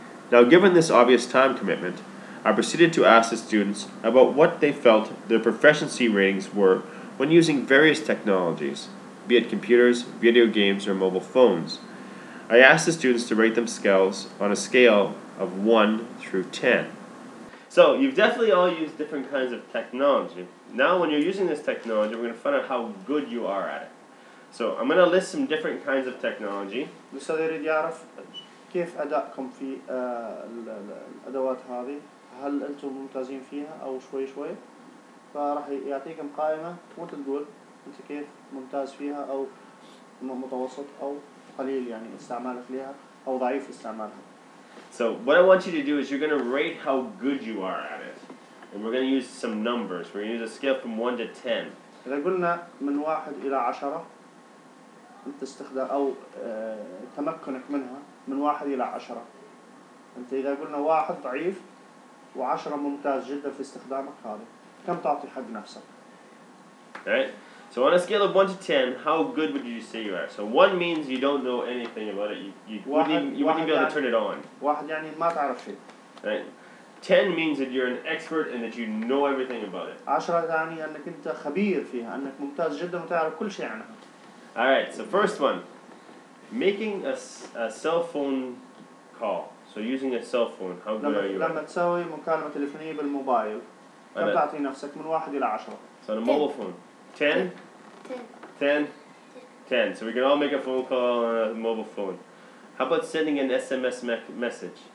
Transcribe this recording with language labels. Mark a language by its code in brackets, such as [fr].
[en] Now, given this obvious time commitment, I proceeded to ask the students about what they felt their proficiency ratings were when using various technologies, be it computers, video games, or mobile phones. I asked the students to rate them scales on a scale of 1 through 10. So, you've definitely all used different kinds of technology. Now, when you're using this technology, we're going to find out how good you are at it. So, I'm going to list some different kinds of technology. [ar] مستدرد يعرف كيف أداءكم في الأدوات هذه. هل أنتم ممتازين فيها أو شوي شوي. فراح يعطيكم قائمة وتقول أنت كيف ممتاز فيها أو متوسط أو قليل يعني استعمالك ليها أو ضعيف استعمالها. [en] So what I want you to do is you're going to rate how good you are at it. And we're going to use some numbers. We're going to use a scale from 1 to 10. [ar] إذا قلنا من 1 إلى 10 أنت استخدام أو تمكنك منها من 1 إلى 10. أنت إذا قلنا 1 ضعيف و10 ممتاز جدا في استخدامك هذا كم تعطي حق نفسك؟ [en] Right. So on a scale of 1 to 10, how good would you say you are? So 1 means you don't know anything about it. You wouldn't even be able to turn it on. [ar] 1 يعني ما تعرف شيء. [en] Right. 10 means that you're an expert and that you know everything about it. [ar] 10 يعني أنك أنت خبير فيها, أنك ممتاز جدا وتعرف كل شيء عنها. [en] Alright, so first one. Making a cell phone call. So using a cell phone, how good are you? [ar] لما تسوي مكالمة تلفونية بالموبايل, كم تعطي نفسك من 1 إلى 10؟ [en] So on a mobile phone. 10? 10. So we can all make a phone call on a mobile phone. How about sending an SMS message?